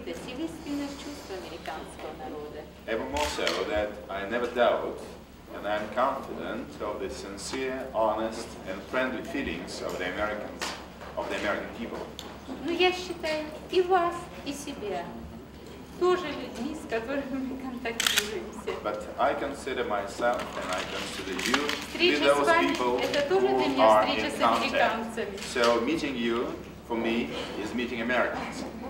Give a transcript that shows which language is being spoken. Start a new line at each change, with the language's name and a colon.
English: Even more so that I never doubt and I am confident of the sincere, honest and friendly feelings of the Americans, of the American people.
Russian: Ну, я считаю и вас, и себя тоже людьми, с которыми мы контактируемся.
English: But I consider myself and I consider you
Russian: встреча
English: to be those
Russian: с вами
English: people
Russian: это тоже для меня встреча с американцами.
English: So meeting you for me is meeting Americans.